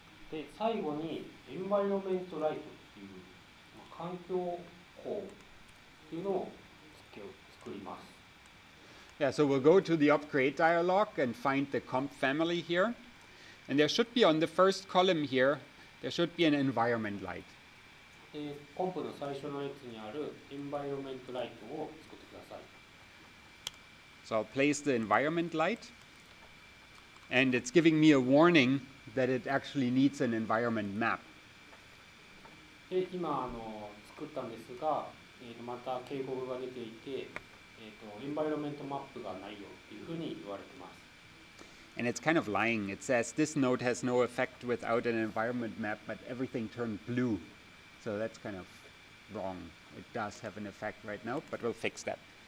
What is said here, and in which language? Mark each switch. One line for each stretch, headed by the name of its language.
Japanese: で、最後にエンバイロメントライトっていう、まあ、環境光っていうのをつけ作ります。
English: Yeah, so we'll go to the upgrade dialog and find the comp family here. And there should be on the first column here, there should be an environment light.
Japanese: で、コンプの最初の列にあるエンバイロメントライトを作ってください。
English: So I'll place the environment light, and it's giving me a warning that it actually needs an environment map.
Japanese: で、今あの作ったんですが、また警告が出ていて、エンバイロメントマップがないよというふうに言われています。
English: And it's kind of lying. It says this node has no effect without an environment map, but everything turned blue. So that's kind of wrong. It does have an effect right now, but we'll fix that.